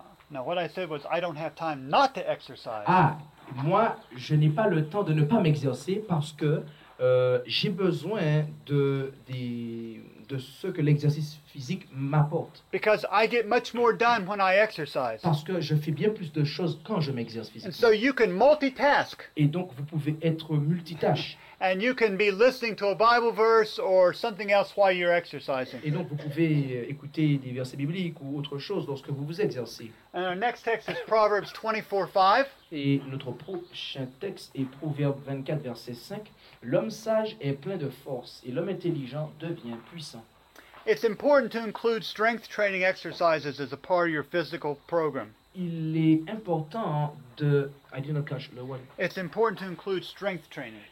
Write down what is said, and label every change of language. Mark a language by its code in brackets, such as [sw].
[en] No, what I said was I don't have time not to exercise. [fr] Ah, moi, je n'ai pas le temps de ne pas m'exercer parce que j'ai besoin de ce que l'exercice physique m'apporte. [en] Because I get much more done when I exercise. [fr] Parce que je fais bien plus de choses quand je m'exerce physiquement. [en] And so you can multitask. [fr] Et donc vous pouvez être multitâche. [en] And you can be listening to a Bible verse or something else while you're exercising. [fr] Et donc vous pouvez écouter des versets bibliques ou autre chose lorsque vous vous exercez. [en] And our next text is Proverbs 24:5. [fr] Et notre prochain texte est Proverbes 24 verset 5. L'homme sage est plein de force et l'homme intelligent devient puissant. [en] It's important to include strength training exercises as a part of your physical program. [fr] Il est important de [en] I did not catch the word. It's important to include strength training.